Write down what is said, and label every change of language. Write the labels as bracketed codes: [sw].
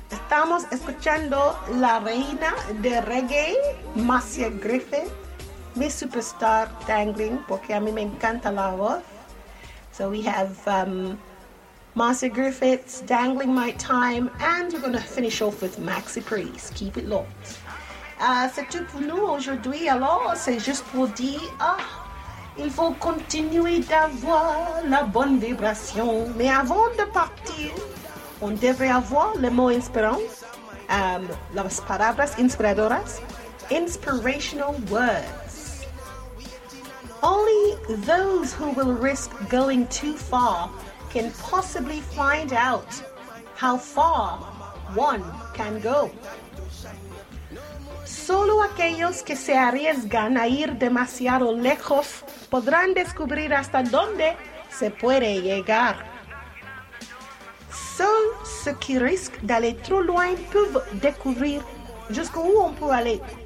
[es] Estamos escuchando la reina de reggae, Marcia Griffith, mi superstar dangling, porque a mí me encanta la voz. [en] So we have Marcia Griffith's Dangling My Time, and we're going to finish off with Maxi Priest, Keep It Locked. [fr] C'est tout pour nous aujourd'hui, alors c'est juste pour dire... Il faut continuer d'avoir la bonne vibration. Mais avant de partir, on devrait avoir le mot inspirant. [es] Las palabras inspiradoras. [en] Inspirational words. Only those who will risk going too far can possibly find out how far one can go. [es] Solo aquellos que se arriesgan a ir demasiado lejos podrán descubrir hasta dónde se puede llegar. [fr] Solo ceux qui risquent d'aller trop loin peuvent découvrir jusqu'où on peut aller.